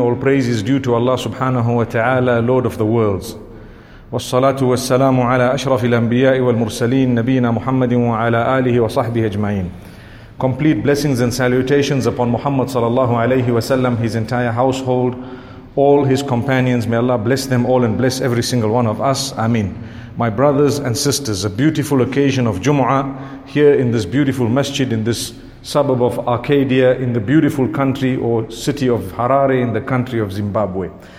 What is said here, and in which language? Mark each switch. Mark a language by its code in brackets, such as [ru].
[en] All praise is due to Allah subhanahu wa ta'ala, Lord of the worlds. [ar] والصلاة والسلام على أشرف الأنبياء والمرسلين نبينا محمد وعلى آله وصحبه أجمعين. [en] Complete blessings and salutations upon Muhammad sallallahu alayhi wa sallam, his entire household, all his companions. May Allah bless them all and bless every single one of us. Ameen. My brothers and sisters, a beautiful occasion of Jumu'ah here in this beautiful masjid, in this suburb of Arcadia, in the beautiful country or city of Harare, in the country of Zimbabwe.